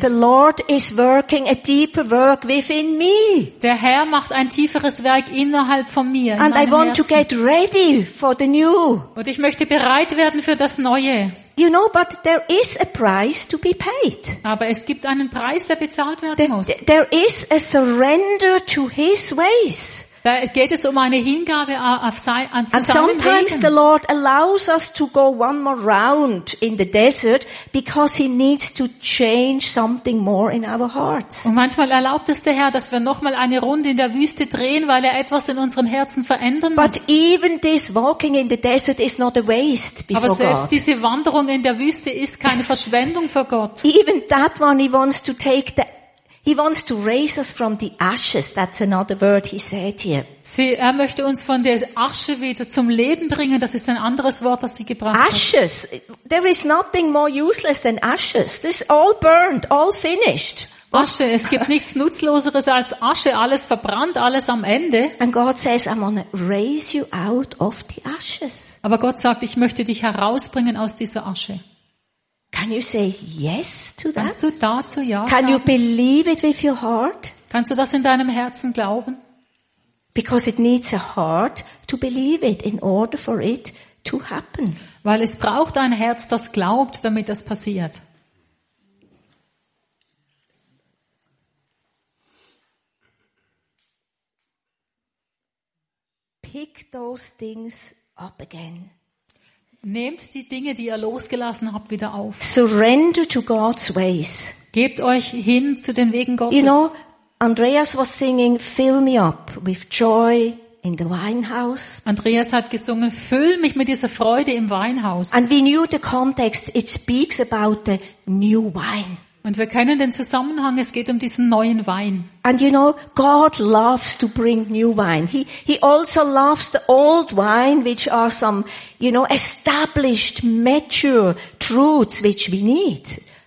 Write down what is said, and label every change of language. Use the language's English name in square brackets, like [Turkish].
[English] The Lord is working a deeper work within me. [German] Der Herr macht ein tieferes Werk innerhalb von mir. [English] And I want to get ready for the new. [German] Und ich möchte bereit werden für das Neue. [English] You know, but there is a price to be paid. [German] Aber es gibt einen Preis, der bezahlt werden muss. [English] There is a surrender to His ways. [German] Da geht es um eine Hingabe auf sein, an seinen Wegen. [English] And sometimes the Lord allows us to go one more round in the desert because He needs to change something more in our hearts. [German] Und manchmal erlaubt es der Herr, dass wir noch mal eine Runde in der Wüste drehen, weil er etwas in unseren Herzen verändern [English] But [German] muss. [English] But even this walking in the desert is not a waste before God. [German] Aber selbst [English] God. [German] Diese Wanderung in der Wüste ist keine Verschwendung für Gott. [English] Even that one He wants to take the He wants to raise us from the ashes. That's another word he said here. [German] Sie, er möchte uns von der Asche wieder zum Leben bringen. Das ist ein anderes Wort, das sie gebracht hat. [English] Ashes. There is nothing more useless than ashes. This is all burned, all finished. [German] Asche. Es gibt nichts Nutzloseres als Asche. Alles verbrannt, alles am Ende. [English] And God says, I'm gonna raise you out of the ashes. [German] Aber Gott sagt, ich möchte dich herausbringen aus dieser Asche. [English] Can you say yes to that? [German] Kannst du dazu ja sagen? [English] Can you believe it with your heart? [German] Kannst du das in deinem Herzen glauben? [English] Because it needs a heart to believe it in order for it to happen. [German] Weil es braucht ein Herz, das glaubt, damit das passiert. [English] Pick those things up again. [German] Nehmt die Dinge, die ihr losgelassen habt, wieder auf. [English] Surrender to God's ways. [German] Gebt euch hin zu den Wegen Gottes. [English] You know, Andreas was singing, fill me up with joy in the winehouse. [German] Andreas hat gesungen, füll mich mit dieser Freude im Weinhaus. [English] And we knew the context, it speaks about the new wine. [German] Und wir kennen den Zusammenhang, es geht um diesen neuen Wein. [English] And you know, God loves to bring new wine. He also loves the old wine, which are some, you know, established, mature truths, which we need.